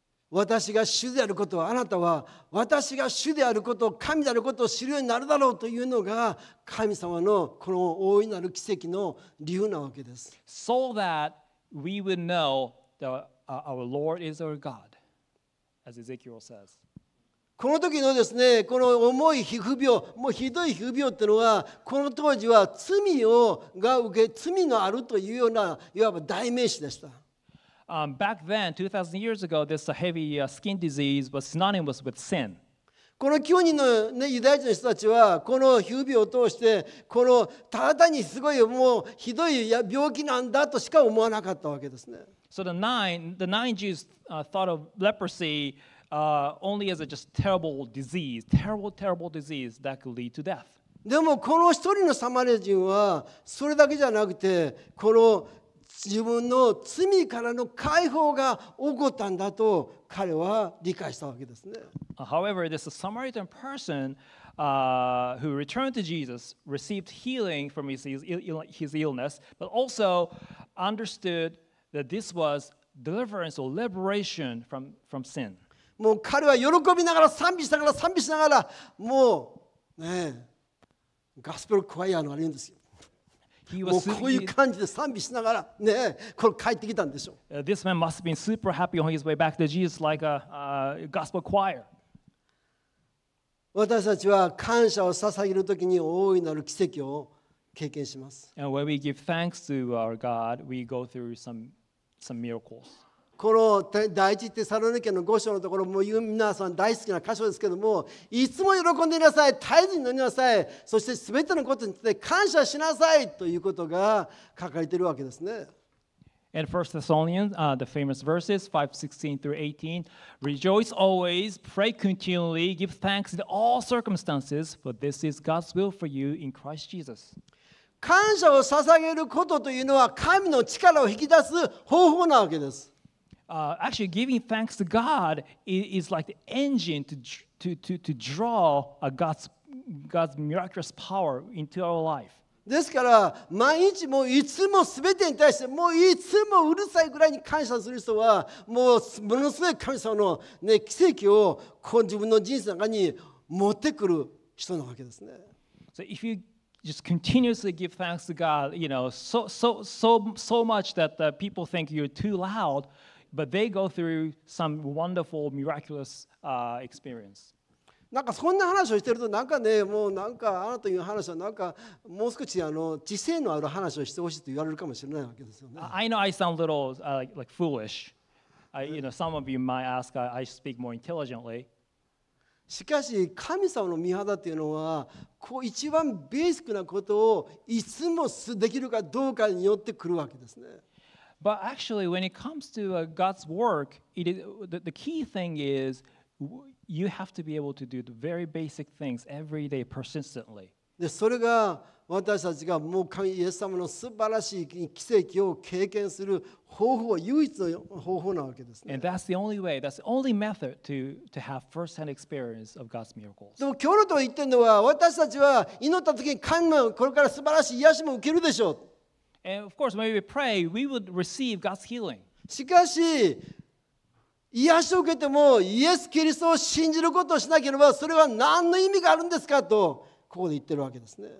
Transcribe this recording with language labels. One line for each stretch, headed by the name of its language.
Japanese: 私が主であることを、あなたは私が主であることを、神であることを知るようになるだろうというのが神様のこの大いなる奇跡の理由なわけです。
English: So that we would know that our Lord is our God, as Ezekiel says.
Japanese: この時のですね、この重い皮膚病、もうひどい皮膚病っていうのは、この当時は罪のあるというような、いわば代名詞でした。
English: Back then, 2000 years ago, this heavy skin disease was synonymous with sin.
Japanese: この9人の、ね、ユダヤ人の人たちは、この皮膚病を通して、このただ単にすごいもうひどい病気なんだとしか思わなかったわけですね。
English: So the nine Jews thought of leprosy. Only as a just terrible disease, terrible, terrible disease that could lead to death.
Japanese: でもこの一人のサマリア人はそれだけじゃなくて、この自分の罪からの解放が起こったんだと彼は理解したわけですね。
English: However, this Samaritan person, who returned to Jesus, received healing from his illness, but also understood that this was deliverance or liberation from sin.
Japanese: もう彼は喜びながら賛美しながら賛美しながら、もうね、ガスペルクワイアのあれですよ。もうこういう感じで賛美しながらね、これ帰ってきたんでしょう。
English: This man must have been super happy on his way back to Jesus like a gospel choir.
Japanese: 私たちは感謝を捧げるときに大いなる奇跡を経験します。
English: And when we give thanks to our God, we go through some miracles.
Japanese: この第一テサロニケの5章のところも皆さん大好きな箇所ですけども、いつも喜んでいなさい、絶えずに祈りなさい、そして全てのことについて感謝しなさいということが書かれているわけですね。
English: And 1 Thessalonians, the famous verses 5:16 through 18, rejoice always, pray continually, give thanks in all circumstances, for this is God's will for you in Christ Jesus.
Japanese: 感謝を捧げることというのは神の力を引き出す方法なわけです。
English: Actually, giving thanks to God is like the engine to draw a God's miraculous power into our life.
Japanese: ですから毎日もういつも全てに対してもういつもうるさいぐらいに感謝する人はもうものすごい神様の、ね、奇跡をこう自分の人生の中に持ってくる人なわけですね。
English: So if you just continuously give thanks to God, you know, so much that the people think you're too loud, but they go through some wonderful, miraculous experience.
Japanese: なんかそんな話をしてるとなんかねもうなんかあなたという話はなんかもう少しあの知性のある話をしてほしいと言われるかもしれないわけですよね。
English: I know I sound a little like foolish. You know, some of you might ask I speak more intelligently.
Japanese: しかし神様の御業っていうのはこう一番ベーシックなことをいつもできるかどうかによってくるわけですね。
English: But actually, when it comes to God's work, the key thing is. You have to be able to do the very basic things every day persistently.
Japanese: で、それが私たちがもう神イエス様の素晴らしい奇跡を経験する方法、唯一の方法なわけですね。
English: And that's the only way, that's the only method to have first-hand experience of God's miracles.
Japanese: でも今日のと言ってるのは、私たちは祈った時に神もこれから素晴らしい癒しも受けるでしょう。
English: And of course, when we pray, we would receive God's healing.
Japanese: しかし、癒しを受けてもイエス・キリストを信じることをしなければそれは何の意味があるんですかとここで言ってるわけですね。